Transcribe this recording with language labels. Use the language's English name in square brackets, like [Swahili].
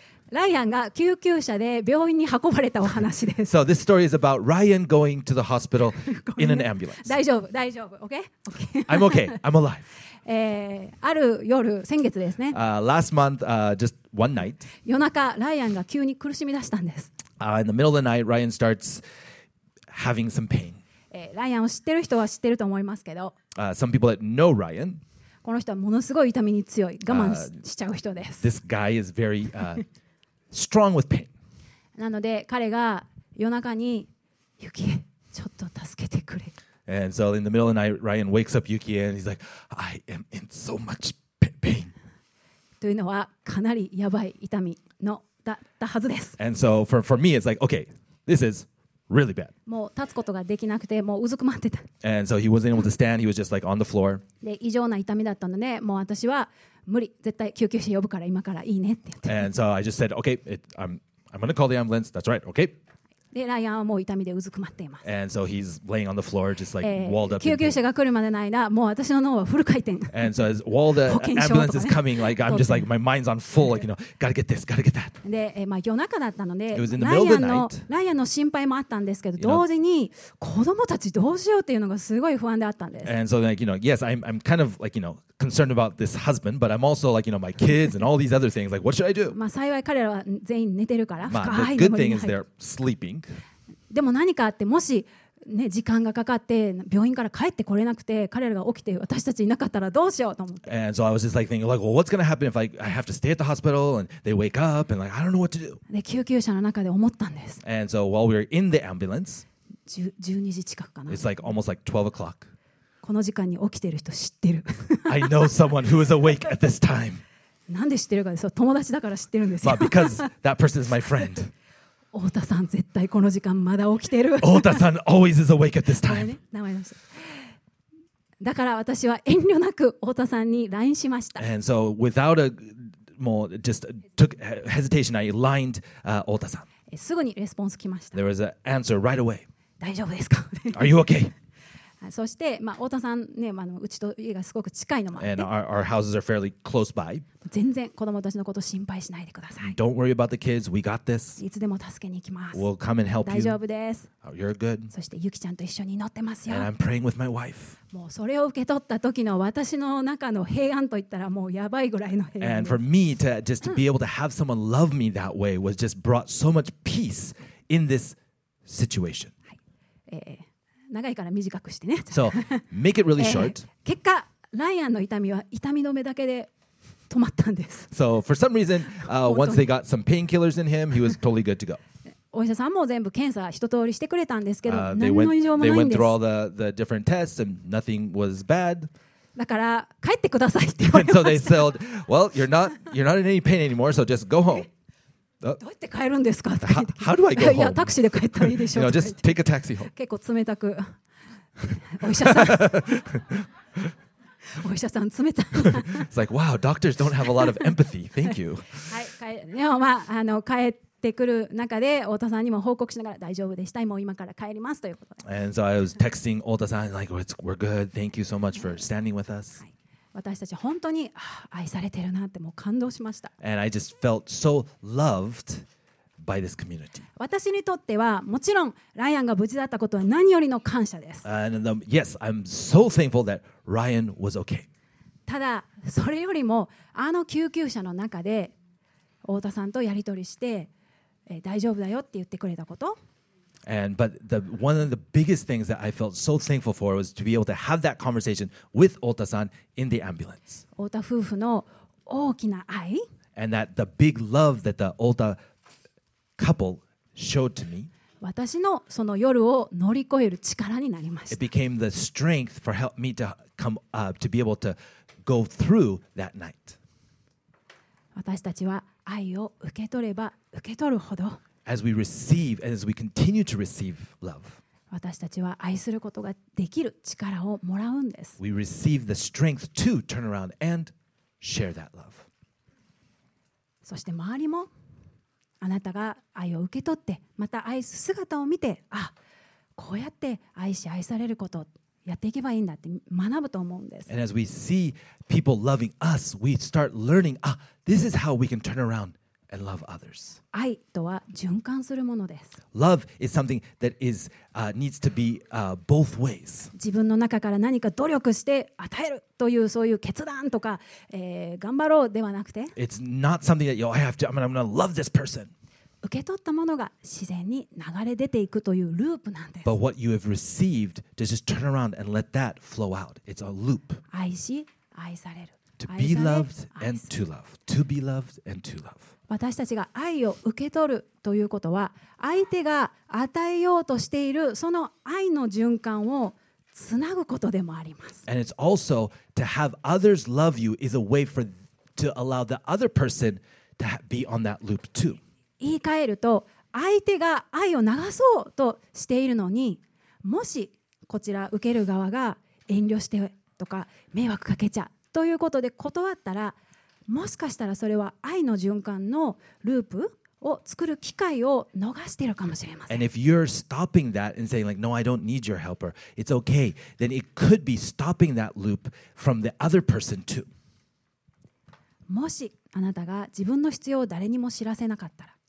[Japanese] ライアンが救急車で病院に運ばれたお話です。 [English] So this story is about Ryan going to the hospital in an ambulance. [Japanese] 大丈夫、大丈夫、OK? [English] OK. I'm okay. I'm alive. [Japanese] ある夜、先月ですね。 [English] Last month, just one night. [Japanese] 夜中、ライアンが急に苦しみ出したんです。 [English] In the middle of the night, Ryan starts having some pain. [Japanese] ライアンを知ってる人は知ってると思いますけど、 [English] some people that know Ryan, [Japanese] この人はものすごい痛みに強い我慢 しちゃう人です。 [English] This guy is very, strong with pain. [Japanese] なので彼が夜中にユキエちょっと助けてくれ。 [English] And so in the middle of the night Ryan wakes up Yuki and he's like I am in so much pain. [Japanese] というのはかなりやばい痛みのだったはずです。 [English] And so for me it's like okay this isReally bad. [Japanese] もう立つことができなくて、もううずくまってた。 [English] And so he wasn't able to stand. He was just like on the floor. [Japanese] で、異常な痛みだったので、もう私は無理、絶対救急車呼ぶから今からいいねって言って。 [English] And so I just said, okay, I'm gonna call the ambulance. That's right. Okay. [Japanese] で、ライアンはもう痛みでうずくまっています。 [English] And so he's laying on the floor, just like walled up. [Japanese] 救急車が来るまでの間、もう私の脳はフル回転。 [English] And so as while the ambulance is coming, like I'm just like my mind's on full, like you know, gotta get this, gotta get that. [Japanese] で、まあ夜中だったので、ライアンの心配もあったんですけど、同時に子供たちどうしようっていうのがすごい不安であったんです。 [English] And so like you know, yes, I'm kind of like you know. Concerned about this husband, but I'm also like you know my kids and all these other things. Like, what should I do? [Japanese] まあ幸い彼らは全員寝てるから深い眠りに入る。 [English] The good thing is they're sleeping. [Japanese] でも何かあってもしね時間がかかって病院から帰ってこれなくて彼らが起きて私たちいなかったらどうしようと思って。 [English] And so I was just like thinking like, well, what's gonna happen if I have to stay at the hospital and they wake up and like I don't know what to do. [Japanese] で救急車の中で思ったんです。 [English] And so while we were in the ambulance, [Japanese] 12時近くかな。 [English] It's like almost like 12 o'clock. [Japanese] この時間に起きてる人知ってる。 [English] I know someone who is awake at this time. [Japanese] なんで知ってるかです。友達だから知ってるんですよ。 [English] But because that person is my friend. [Japanese] 太田さん絶対この時間まだ起きてる。 [English] 太田さん always is awake at this time. [Japanese] 名前出して。だから私は遠慮なく太田さんに LINE しました。 [English] And so without a more just took hesitation, I LINED 太田さん。 [Japanese] すぐにレスポンス来ました。 [English] There was an answer right away. [Japanese] 大丈夫ですか。 [English] Are you okay? [Japanese] そして、まあ、太田さんね、まあ、うちと家がすごく近いのもあって [English] And our houses are fairly close by. [Japanese] 全然子供たちのこと心配しないでください。 [English] Don't worry about the kids. We got this. [Japanese] いつでも助けに行きます。 [English] We'll come and help you. [Japanese] 大丈夫です。 [English] Oh, you're good. [Japanese] そしてユキちゃんと一緒に祈ってますよ。 [English] And I'm praying with my wife. [Japanese] もうそれを受け取った時の私の中の平安といったらもうやばいぐらいの平安。 [English] And for me to just be able to have someone love me that way was just brought so much peace in this situation. [Japanese] はい。長いから短くしてね。 [English] So, make it really short. [Japanese] 結果、ライアンの痛みは痛み止めだけで止まったんです。 [English] So, for some reason, once they got some painkillers in him, he was totally good to go. [Japanese] お医者さんも全部検査一通りしてくれたんですけど、何の異常もないんです。 [English] They went through all the different tests and nothing was bad. [Japanese] だから帰ってくださいって言われました。 [English] So they said, "Well, you're not in any pain anymore, so just go home." [Japanese] どうやって帰るんですか [English] How do I go home? [Japanese] いや、タクシーで帰ったらいいでしょう。 [English] No, just take a taxi home. [Japanese] 結構冷たく、お医者さん、お医者さん冷たい。 [English] It's like, wow, doctors don't have a lot of empathy. Thank you. [Japanese] はい、帰でもまあ帰ってくる中で太田さんにも報告しながら大丈夫でしたもう今から帰りますということで。 [English] And so I was texting 太田さん like we're good. Thank you so much for standing with us.、 [Japanese] はい、私たち本当に愛されてるなってもう感動しました。 [English] And I just felt so loved by this community. [Japanese] 私にとってはもちろんライアンが無事だったことは何よりの感謝です。 [English] And yes, I'm so thankful that Ryan was okay. [Japanese] ただそれよりもあの救急車の中で太田さんとやり取りして。大丈夫だよって言ってくれたこと。 [English] And but the one of the biggest things that I felt so thankful for was to be able to have that conversation with Ota-san in the ambulance. [Japanese] Ota 夫婦の大きな愛。 [English] And that the big love that the Ota couple showed to me. [Japanese] 私のその夜を乗り越える力になりました。 [English] It became the strength for help me to come to be able to go through that night. [Japanese] 私たちは。愛を受け取れば受け取るほど [English] as we receive, as we continue to receive love, [Japanese] 私たちは愛することができる力をもらうんです。 [English] We receive the strength to turn around and share that love. [Japanese] そして周りもあなたが愛を受け取ってまた愛す姿を見てあこうやって愛し愛されることやっていけばいいんだって学ぶと思うんです。 [English] And as we see people loving us, we start learning, ah, this is how we can turn around and love others. [Japanese] 愛とは循環するものです。 [English] Love is something that is, needs to be, both ways. [Japanese] 自分の中から何か努力して与えるというそういう決断とか、頑張ろうではなくて、 [English] It's not something that, yo, I have to, I'm gonna love this person. [Japanese] 受け取ったものが自然に流れ出ていくというループなんです。 [English] But what you have received, just turn around and let that flow out. It's a loop. [Japanese] 愛し、愛される。 [English] To be loved and to love. To be loved and to love. [Japanese] 私たちが愛を受け取るということは、相手が与えようとしているその愛の循環をつなぐことでもあります。 [English] And it's also to have others love you is a way for to allow the other person to be on that loop too. [Japanese] 言い換えると相手が愛を流そうとしているのにもしこちら受ける側が遠慮してとか迷惑かけちゃうということで断ったらもしかしたらそれは愛の循環のループを作る機会を逃しているかもしれません。 [English] And if you're stopping that and saying like, no, I don't need your helper, it's okay, then it could be stopping that loop from the other person too. [Japanese] もしあなたが自分の必要を誰にも知らせなかったら